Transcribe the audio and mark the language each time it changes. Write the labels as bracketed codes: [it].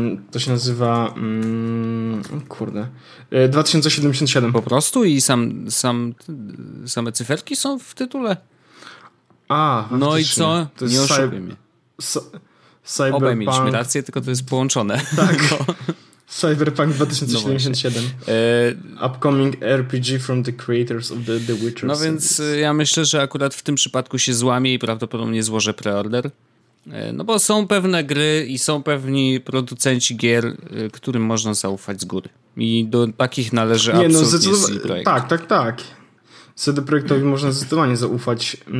[pl] To się nazywa... kurde... 2077. Po prostu? I same cyferki są w tytule? A, no i co? To jest nie oszukuj mnie. Cyberpunk. Obaj mieliśmy rację, tylko to jest połączone. Tak. No. Cyberpunk 2077. [en] No upcoming RPG from the creators of the Witcher. [pl] No więc [en] series. [pl] Ja myślę, że akurat w tym przypadku się złamie i prawdopodobnie złożę preorder. No bo są pewne gry i są pewni producenci gier, którym można zaufać z góry. I do takich należy nie, absolutnie CD Projekt. Tak. CD Projektowi można zdecydowanie zaufać.